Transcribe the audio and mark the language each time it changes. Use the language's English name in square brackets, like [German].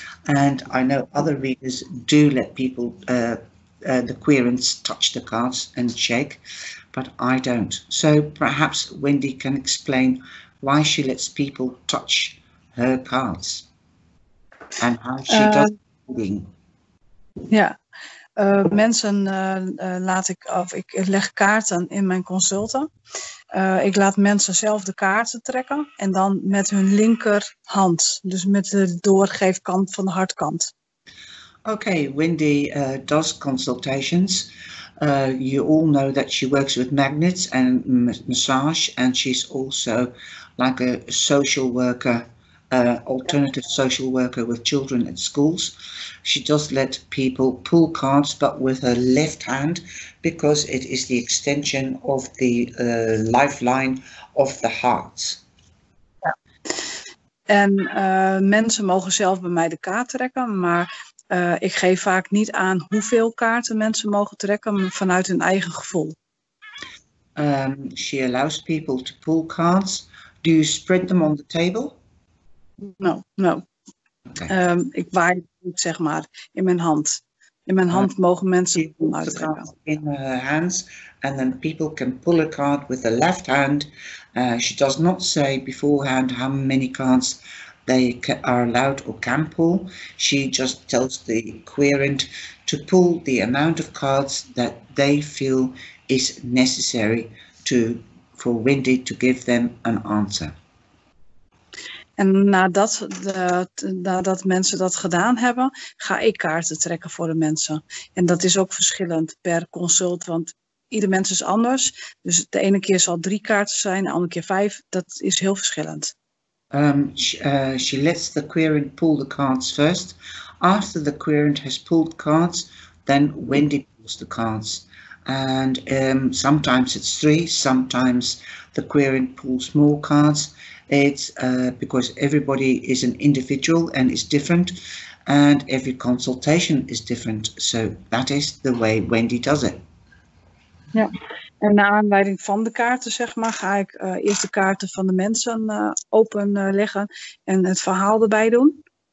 [English] And I know other readers do let people, the querents, touch the cards and check, but I don't. So perhaps Wendy can explain why she lets people touch her cards and how she does reading. [Dutch] Yeah, mensen laat ik, of ik leg kaarten in mijn consulten. Ik laat mensen zelf de kaarten trekken en dan met hun linkerhand, dus met de doorgeefkant van de hartkant. [English] Okay, Wendy does consultations. You all know that she works with magnets and massage, and she's also like a social worker, alternative social worker with children at schools. She does let people pull cards, but with her left hand, because it is the extension of the lifeline of the heart. [Dutch] Ja. En mensen mogen zelf bij mij de kaart trekken, maar ik geef vaak niet aan hoeveel kaarten mensen mogen trekken, maar vanuit hun eigen gevoel. [English] She allows people to pull cards. Do you spread them on the table? No, no. Okay. [Dutch] Ik waai het, zeg maar, in mijn hand. In mijn hand mogen mensen [English] in her hands, and then people can pull a card with the left hand. She does not say beforehand how many cards they are allowed or can pull. She just tells the querent to pull the amount of cards that they feel is necessary for Wendy to give them an answer. [Dutch] En nadat mensen dat gedaan hebben, ga ik kaarten trekken voor de mensen. En dat is ook verschillend per consult, want ieder mens is anders. Dus de ene keer zal 3 kaarten zijn, de andere keer 5. Dat is heel verschillend. [English] She lets the querent pull the cards first. After the querent has pulled cards, then Wendy pulls the cards. And sometimes it's 3, sometimes the querent pulls more cards. It's because everybody is an individual and is different, and every consultation is different. So that is the way Wendy does it. [Dutch] Ja, en naar aanleiding van de kaarten, zeg maar, ga ik eerst de kaarten van de mensen open leggen en het verhaal erbij doen.